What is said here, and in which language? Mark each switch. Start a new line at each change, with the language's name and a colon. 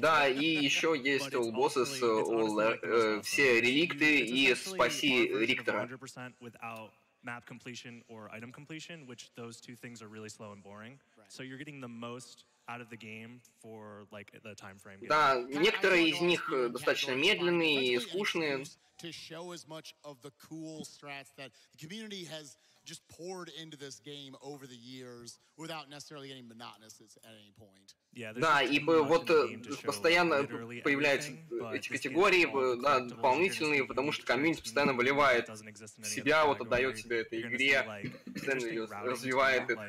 Russian: Да, и еще есть All Bosses, все реликты и спаси Риктора.
English: Map completion or item completion, which those two things are really slow and boring. Right. So you're getting the most out of the game for like the time frame.
Russian: Да, некоторые из них достаточно медленные и скучные.
English: To show as much of the cool strats that the community has just poured into this game over the years without necessarily getting monotonous at any point.
Russian: Да, и вот постоянно появляются эти категории, да, дополнительные, потому что комьюнити постоянно выливает себя, вот отдает себя этой игре, постоянно ее развивает.